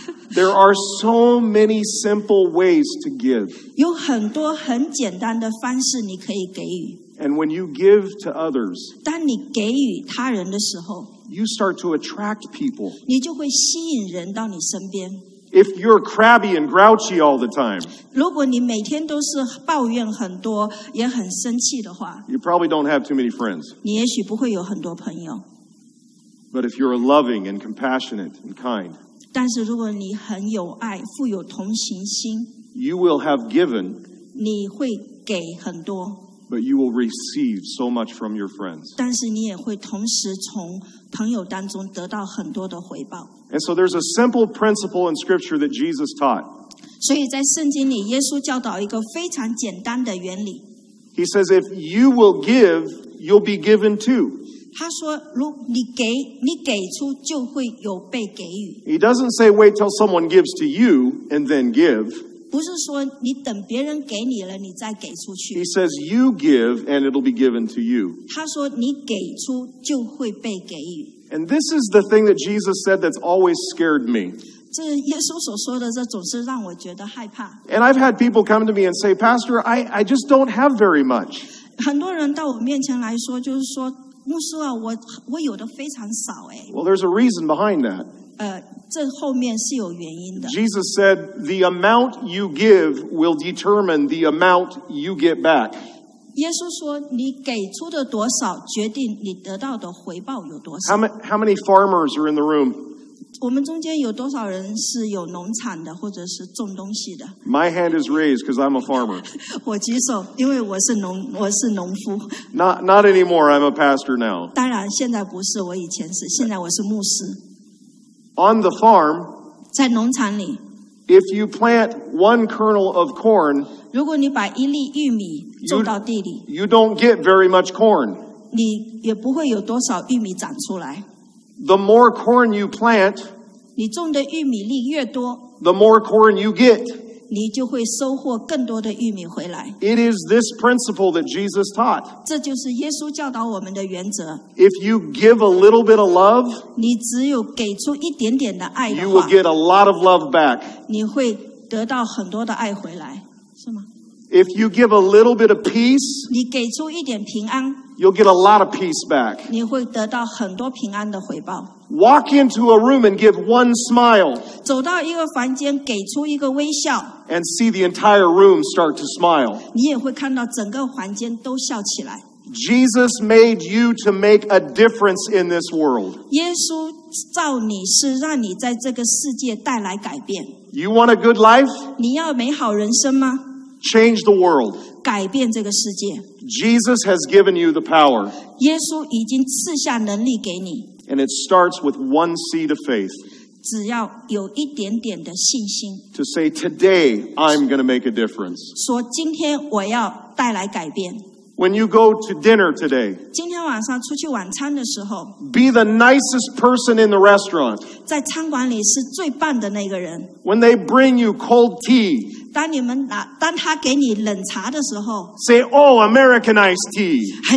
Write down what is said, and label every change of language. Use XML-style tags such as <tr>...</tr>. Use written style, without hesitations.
<en>There are so many simple ways to give.</en> <zh>有很多很简单的方式你可以给予。</zh> <en>And when you give to others,</en> <zh>当你给予他人的时候，</zh> <en>you start to attract people.</en> <zh>你就会吸引人到你身边。</zh> <en>If you're crabby and grouchy all the time,</en> <zh>如果你每天都是抱怨很多，也很生气的话，</zh> <en>you probably don't have too many friends.</en> <zh>你也许不会有很多朋友。</zh> <en>But if you're loving and compassionate and kind,</en> <zh>但是如果你很有爱，富有同情心，</zh> <en>you will have given,</en> <zh>你会给很多，</zh> <en>but you will receive so much from your friends.</en> <zh>但是你也会同时从朋友当中得到很多的回报。</zh> <en>And so there's a simple principle in scripture that Jesus taught.</en> <zh>所以在圣经里，耶稣教导一个非常简单的原理。</zh> <en>He says, if you will give, you'll be given too.</en> <zh>他说如你给你给出就会有被给予。</zh> <en>He doesn't say wait till someone gives to you and then give.</en> <zh>不是说你等别人给你了你再给出去。</zh> <en>He says you give and it'll be given to you.</en> <zh>他说你给出就会被给予。</zh> <en>And this is the thing that Jesus said that's always scared me.</en> <zh>这耶稣所说的这总是让我觉得害怕。</zh> <en>And I've had people come to me and say, Pastor, I just don't have very much.</en> <zh>很多人到我面前来说就是说牧师啊，我有的非常少哎。</zh> <en>Well, there's a reason behind that.</en> <zh>这后面是有原因的。</zh> <en>Jesus said, "The amount you give will determine the amount you get back."</en> <zh>耶稣说，你给出的多少，决定你得到的回报有多少。</zh> <en>How many farmers are in the room?</en> <zh>我们中间有多少人是有农场的，或者是种东西的</zh> <en>？My hand is raised because I'm a farmer.</en> <zh>我举手，因为我是农夫。</zh> <en>Not anymore. I'm a pastor now.</en> <zh>当然，现在不是，我以前是，现在我是牧师。</zh> <en>On the farm,</en> <zh>在农场里</zh> <en>，if you plant one kernel of corn,</en> <zh>如果你把一粒玉米种到地里</zh> <en>，you don't get very much corn.</en> <zh>你也不会有多少玉米长出来。</zh> <en>The more corn you plant,</en> <zh>你种的玉米粒越多</zh> <en>the more corn you get,</en> <zh>你就会收获更多的玉米回来。</zh> <en>It is this principle that Jesus taught.</en> <zh>这就是耶稣教导我们的原则。</zh> <en>If you give a little bit of love,</en> <zh>你只有给出一点点的爱的话</zh> <en>you will get a lot of love back.</en> <zh>你会得到很多的爱回来，是吗？</zh> <en>If you give a little bit of peace,</en> <zh>你给出一点平安。</zh> <en>You'll get a lot of peace back.</en> <zh>你会得到很多平安的回报。</zh> <en>Walk into a room and give one smile.</en> <zh>走到一个房间，给出一个微笑。</zh> <en>And see the entire room start to smile.</en> <zh>你也会看到整个房间都笑起来。</zh> <en>Jesus made you to make a difference in this world.</en> <zh>耶稣造你是让你在这个世界带来改变。</zh> <en>You want a good life?</en> <zh>你要美好人生吗？</zh> <en>Change the world.</en> <zh>改变这个世界。</zh> <en>Jesus has given you the power.</en> <zh>耶稣已经赐下能力给你。</zh> <en>And it starts with one seed of faith.</en> <zh>只要有一点点的信心。</zh> <en>To say today I'm going to make a difference.</en> <zh>说今天我要带来改变。</zh> <en>When you go to dinner today,</en> <zh>今天晚上出去晚餐的时候</zh> <en>be the nicest person in the restaurant.</en> <zh>在餐馆里是最棒的那个人。</zh> <en>When they bring you cold tea,</en> <zh>当他给你冷茶的时候,</zh> <en>say, oh, American iced tea.</en>